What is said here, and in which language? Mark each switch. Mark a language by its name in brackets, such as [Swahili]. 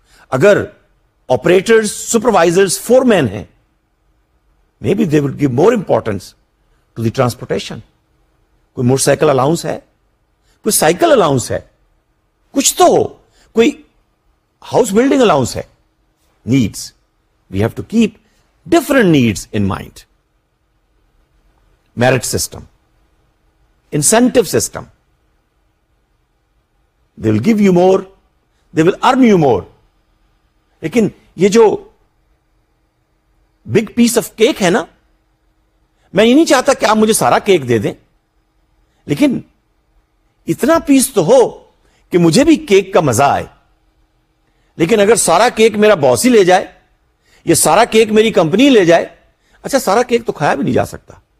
[English] اگر operators, supervisors, foremen ہیں, maybe they would give more importance to the transportation. [Urdu] کوئی motor cycle allowance ہے, کوئی سائیکل الاؤنس ہے, کچھ تو ہو, کوئی ہاؤس بلڈنگ الاؤنس ہے. [English] Needs, we have to keep different needs in mind. Merit system, incentive system, they will give you more, they will earn you more. [Urdu] لیکن یہ جو بگ پیس آف کیک ہے نا, میں یہ نہیں چاہتا کہ آپ مجھے سارا کیک دے دیں, لیکن اتنا پیس تو ہو کہ مجھے بھی کیک کا مزہ آئے. لیکن اگر سارا کیک میرا باس ہی لے جائے, یہ سارا کیک میری کمپنی لے جائے, اچھا سارا کیک تو کھایا بھی نہیں جا سکتا.